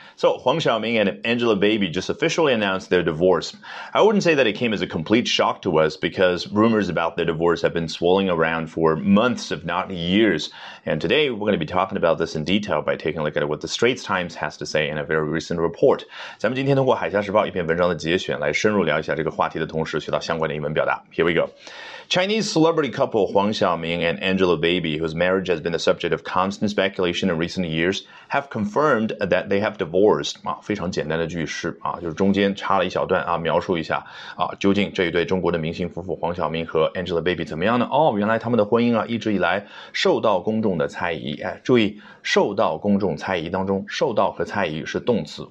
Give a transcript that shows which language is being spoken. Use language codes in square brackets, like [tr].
[en] So, Huang Xiaoming and Angela Baby just officially announced their divorce. I wouldn't say that it came as a complete shock to us because rumors about their divorce have been swirling around for months, if not years. And today, we're going to be talking about this in detail by taking a look at what the Straits Times has to say in a very recent report. [zh] 咱们今天通过海峡时报一篇文章的节选来深入聊一下这个话题的同时学到相关的英文表达。 [en] Here we go. Chinese celebrity couple Huang Xiaoming and Angela Baby, whose marriage has been the subject of constant speculation in recent years, have confirmed that they have divorced. [zh] 啊，非常简单的句式啊，就是中间插了一小段啊，描述一下啊，究竟这一对中国的明星夫妇黄晓明和 Angela Baby 怎么样呢？哦，原来他们的婚姻啊，一直以来受到公众的猜疑。哎，注意，受到公众猜疑当中，受到和猜疑是动词。